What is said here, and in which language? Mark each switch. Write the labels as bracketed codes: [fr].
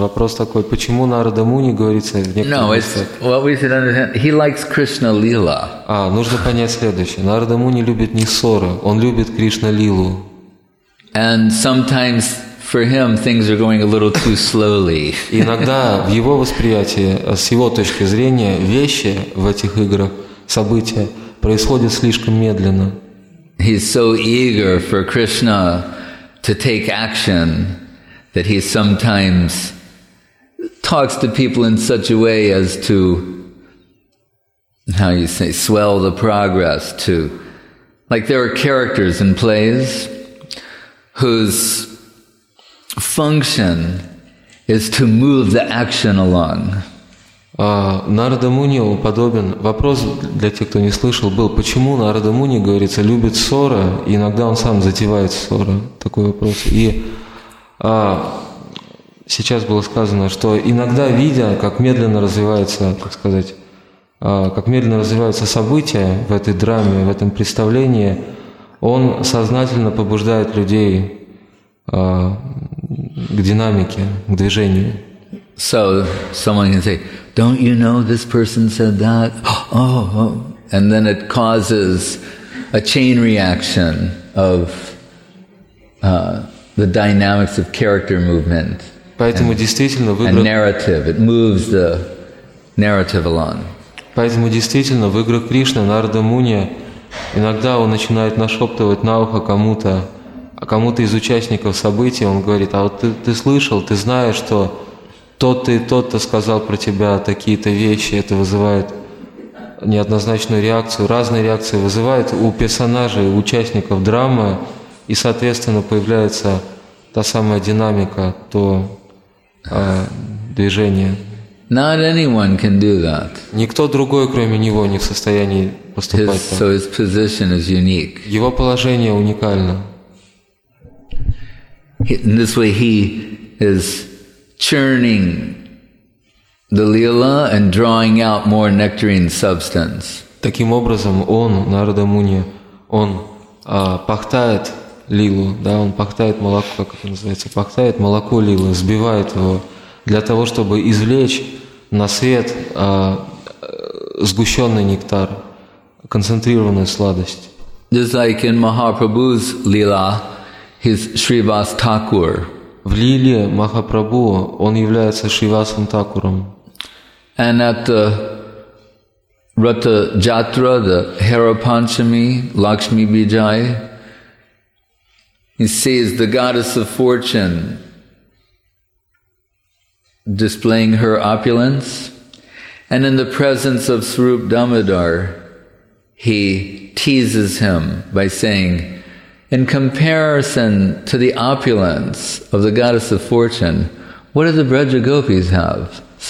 [ru] Вопрос такой, почему Нарада Муни говорится в некоторых местах? [en] No, what we should understand, he likes Krishna Lila. [ru] Нужно понять следующее. Нарада Муни любит не ссоры, он любит Кришна Лилу. [en] And sometimes for him things are going a little too slowly. [ru] Иногда в его восприятии, с его точки зрения, вещи в этих играх, события происходят слишком медленно. [en] He's so eager for Krishna to take action that he sometimes talks to people in such a way as to, how you say, swell the progress to, like there are characters in plays whose function is to move the action along. [ru] Нарада Муни уподобен. Вопрос для тех, кто не слышал, был, почему Нарада Муни, говорится, любит ссоры, и иногда он сам затевает ссоры. Такой вопрос. И сейчас было сказано, что иногда, видя, как медленно развивается, как сказать, как медленно развиваются события в этой драме, в этом представлении, он сознательно побуждает людей к динамике, к движению. [en] So someone can say, don't you know this person said that? Oh, oh, and then it causes a chain reaction of the dynamics of character movement and narrative. It moves the narrative along. [ru] Поэтому действительно в играх Кришны, Нарада Муни, иногда он начинает нашептывать на ухо кому-то, а кому-то из участников событий, он говорит, а вот ты слышал, ты знаешь, что тот-то и тот-то сказал про тебя такие-то вещи, это вызывает неоднозначную реакцию, разные реакции вызывает у персонажей, у участников драмы, и, соответственно, появляется та самая динамика, то движение. [en] Not anyone can do that. [ru] Никто другой, кроме него, не в состоянии поступать так. [en] So his position is unique. [ru] Его положение уникально. [en] In this way, he is churning the lila and drawing out more nectarine substance. [ru] Таким образом, он, Нарада Муни, он пахтает лилу, да, он пахтает молоко, как это называется, пахтает молоко лилы, сбивает его для того, чтобы извлечь на свет сгущенный нектар, концентрированную сладость. [en] Just like in Mahaprabhu's lila, he's Shrivas Thakur. [ru] В лиле Махапрабху он является Шривасом Такуром. [en] And at the Ratha Jatra, the Hara Panchami, Lakshmi Bijay, he sees the goddess of fortune displaying her opulence, and in the presence of Swarup Damodar, he teases him by saying, in comparison to the opulence of the goddess of fortune, what do the Brajagopis have?